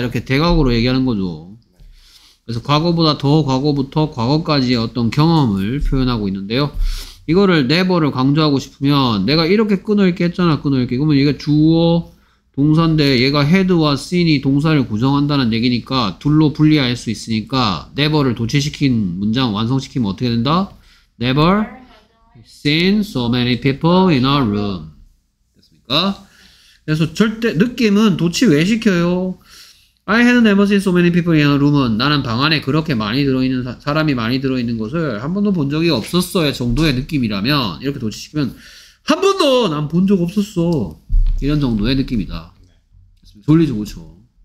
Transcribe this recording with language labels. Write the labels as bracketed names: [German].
[Korean] 이렇게 대각으로 얘기하는 거죠. 그래서 과거보다 더 과거부터 과거까지의 어떤 경험을 표현하고 있는데요. 이거를 never를 강조하고 싶으면 내가 이렇게 끊을게 했잖아. 끊을게. 그러면 얘가 주어 동사인데 얘가 had와 seen이 동사를 구성한다는 얘기니까 둘로 분리할 수 있으니까 never를 도치시킨 문장 완성시키면 어떻게 된다? [English] never seen so many people in a room [Korean] 됐습니까? 그래서 절대 느낌은 도치 왜 시켜요? [English] I had never seen so many people in a room [Korean] 은 나는 방 안에 그렇게 많이 들어있는 사람이 많이 들어있는 것을 한 번도 본 적이 없었어요 정도의 느낌이라면 이렇게 도치시키면 한 번도 난 본 적 없었어 이런 정도의 느낌이다. 졸리죠, 그쵸?